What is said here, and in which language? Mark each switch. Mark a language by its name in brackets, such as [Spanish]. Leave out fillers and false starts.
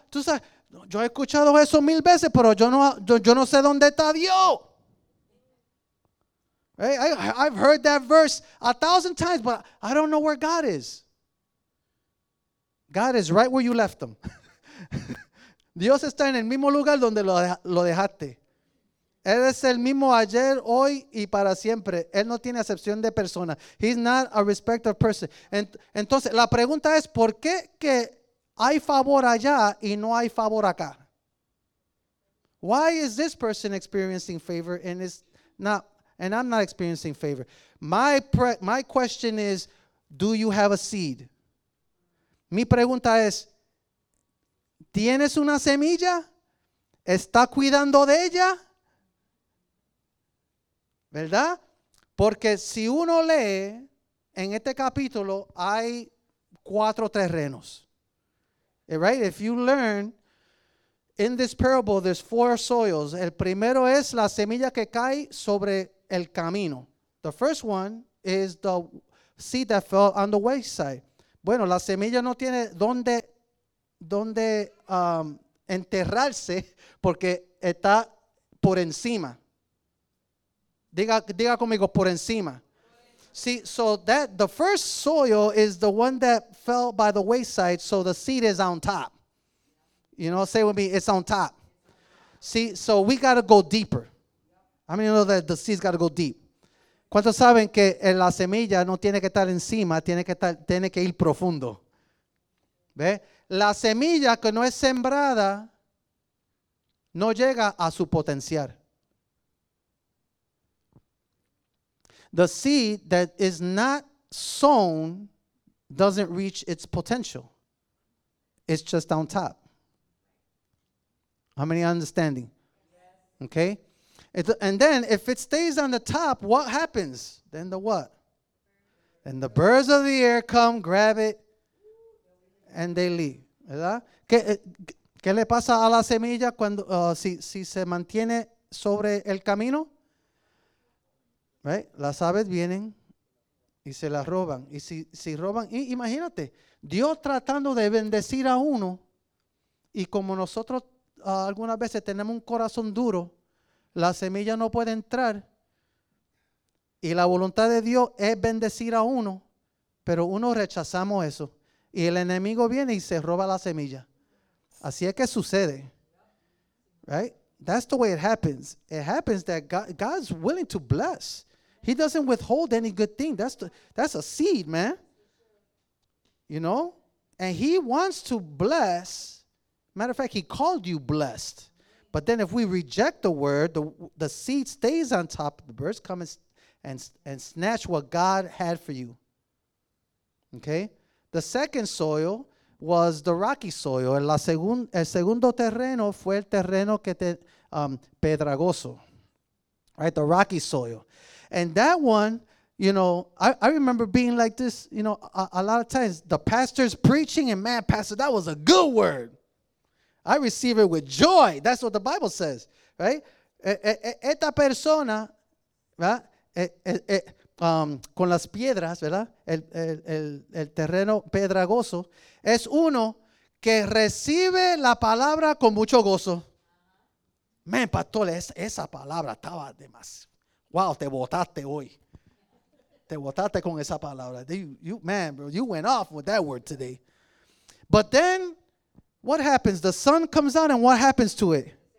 [Spanish] Tú sabes, yo he escuchado eso mil veces, pero yo no sé dónde está Dios. ¿Eh? [English] I've heard that verse 1,000 times, but I don't know where God is. God is right where you left him. [Spanish] Dios está en el mismo lugar donde lo dejaste. Él es el mismo ayer, hoy y para siempre. Él no tiene acepción de persona. [English] He's not a respecter of person. [Spanish] Entonces, la pregunta es, ¿por qué que hay favor allá y no hay favor acá? [English] Why is this person experiencing favor and I'm not experiencing favor? My question is, do you have a seed? [Spanish] Mi pregunta es, ¿tienes una semilla? ¿Está cuidando de ella? ¿Verdad? Porque si uno lee en este capítulo, hay cuatro terrenos. [English] Right? If you learn in this parable, there's four soils. [Spanish] El primero es la semilla que cae sobre el camino. [English] The first one is the seed that fell on the wayside. [Spanish] Bueno, la semilla no tiene dónde enterrarse porque está por encima. Diga conmigo, por encima. [English] See, so that the first soil is the one that fell by the wayside, so the seed is on top. You know, say with me, it's on top. See, so we got to go deeper. How many know that the seed's got to go deep? [Spanish] ¿Cuántos saben que la semilla no tiene que estar encima, tiene que ir profundo? ¿Ve? La semilla que no es sembrada no llega a su potencial. [English] The seed that is not sown doesn't reach its potential. It's just on top. How many are understanding? Okay. And then if it stays on the top, what happens? Then the what? Then the birds of the air come, grab it, and they leave. [Spanish] ¿Verdad? ¿Qué le pasa a la semilla cuando si se mantiene sobre el camino? [English] Right? [Spanish] Las aves vienen y se las roban. Y si roban, y imagínate, Dios tratando de bendecir a uno, y como nosotros algunas veces tenemos un corazón duro, la semilla no puede entrar, y la voluntad de Dios es bendecir a uno, pero uno rechazamos eso, y el enemigo viene y se roba la semilla. Así es que sucede. [English] Right? That's the way it happens. It happens that God's willing to bless. He doesn't withhold any good thing. That's a seed, man. You know? And he wants to bless. Matter of fact, he called you blessed. But then if we reject the word, the seed stays on top. The birds come and snatch what God had for you. Okay? The second soil was the rocky soil. [Spanish] El segundo terreno fue el terreno que te pedregoso. [English] Right? The rocky soil. And that one, you know, I remember being like this, you know, a lot of times the pastor's preaching and man, pastor, that was a good word. I receive it with joy. That's what the Bible says, right? [Spanish] Esta persona, ¿verdad? Con las piedras, ¿verdad? El terreno pedregoso es uno que recibe la palabra con mucho gozo. Man, pastor, esa palabra estaba de más. Wow, te botaste hoy. Te botaste con esa palabra. [English] You went off with that word today. But then, what happens? The sun comes out, and what happens to it?